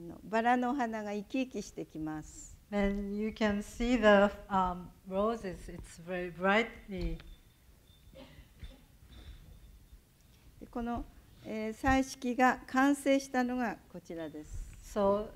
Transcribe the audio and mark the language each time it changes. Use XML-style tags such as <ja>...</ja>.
<ja>だんだんこのお花が、バラのお花が生き生きしてきます。And</ja> <en>you can see the roses, it's very brightly.</en> <ja>この彩色が完成したのがこちらです。So</ja>